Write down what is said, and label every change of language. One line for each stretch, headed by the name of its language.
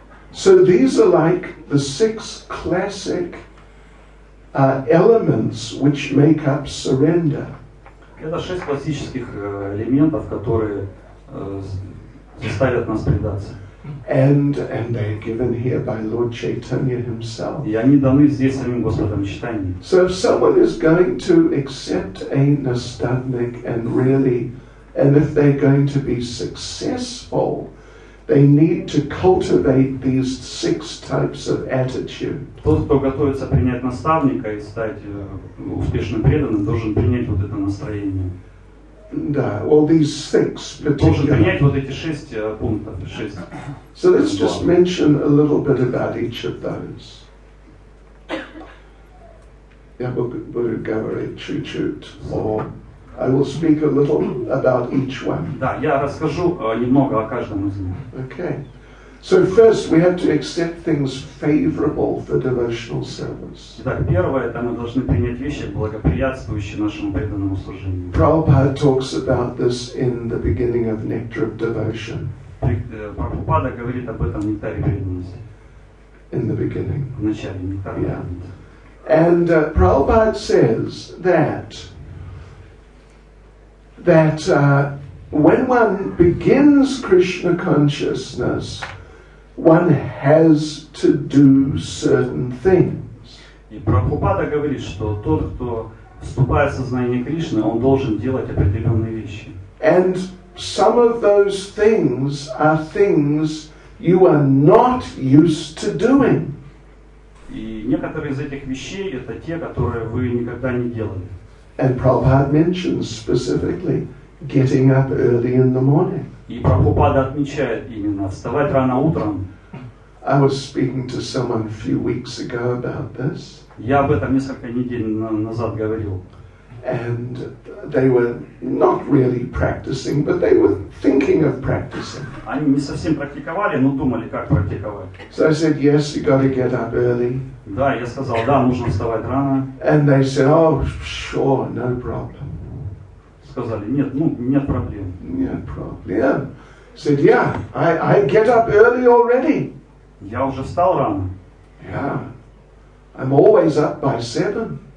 English: So these are like the six classic elements which make up surrender.
Russian: Это шесть классических элементов, которые заставят нас предаться.
English: And they are given here by Lord Chaitanya himself.
Russian: И они даны здесь самим Господом Чайтанья.
English: So if someone is going to accept a nastavnik and really, and if they are going to be successful, they need to cultivate these six types of attitude.
Russian: Тот, кто готовится принять наставника и стать успешным преданным, должен принять вот это настроение.
English: Да, well, these six particular.
Russian: Должен принять вот эти шесть пунктов, шесть.
English: So let's just mention a little bit about each of those.
Russian: Я буду говорить чуть-чуть,
English: or I will speak a little about each one.
Russian: Да, я расскажу немного о каждом из них.
English: Okay. So first, we have to accept things favorable for devotional service.
Russian: Итак, первое, это мы должны принять вещи, благоприятствующие нашему преданному служению.
English: Prabhupada talks about this in the beginning of Nectar of Devotion.
Russian: Прабхупада говорит об этом в Нектаре преданности.
English: In the beginning.
Russian: В начале Нектара преданности.
English: And Prabhupada says that when one begins Krishna consciousness, one has to do certain things.
Russian: И Прабхупада говорит, что тот, кто вступает в сознание Кришны, он должен делать определенные вещи.
English: And some of those things are things you are not used to doing.
Russian: И некоторые из этих вещей это те, которые вы никогда не делали.
English: And Prabhupada mentions specifically getting up early in the morning.
Russian: И Прабхупада отмечает именно вставать рано утром.
English: I was speaking to someone a few weeks ago about this.
Russian: Я об этом несколько недель назад говорил.
English: And they were not really practicing, but they were thinking of practicing.
Russian: Они не совсем практиковали, но думали, как практиковать.
English: So I said, yes, you got to get up early.
Russian: Да, я сказал, да, нужно вставать рано.
English: And they said, oh, sure, no problem.
Russian: Сказали, нет, ну, нет проблем. Нет проблем.
English: Said, yeah, I get up early already.
Russian: Я уже встал рано.
English: Yeah, I'm always up by 7.